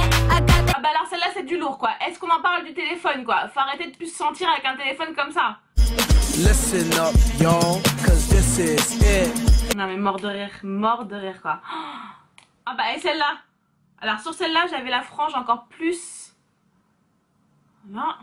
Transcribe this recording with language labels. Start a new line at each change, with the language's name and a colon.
French: Ah bah alors celle-là c'est du lourd, quoi. Est-ce qu'on en parle du téléphone, quoi? Faut arrêter de plus se sentir avec un téléphone comme ça.
English: Listen up, y'all, cause this is it.
French: Non mais mort de rire, quoi. Ah bah et celle-là? Alors sur celle-là j'avais la frange encore plus. Non.